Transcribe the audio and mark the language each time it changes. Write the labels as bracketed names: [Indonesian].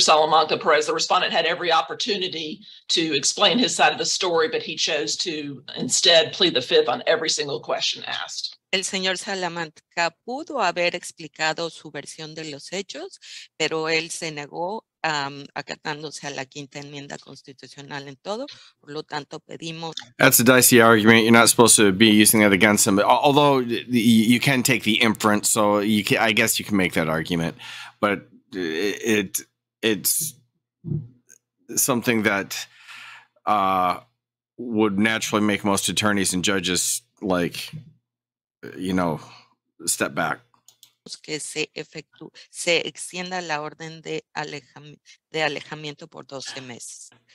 [English] Salamanca Perez, the respondent, had every opportunity to explain his side of the story, but he chose to instead plead the fifth on every single question asked. [Spanish] El señor Salamanca pudo haber explicado su versión de los hechos, pero él se negó acatándose a la quinta enmienda constitucional en todo. Por lo tanto, pedimos... [English] That's a dicey argument. You're not supposed to be using that against him. Although you can take the inference, so you can, I guess you can make that argument. But it's something that would naturally make most attorneys and judges like... You know, step back. [Spanish] Que se efectúe, se extienda la orden de alejamiento por 12 meses.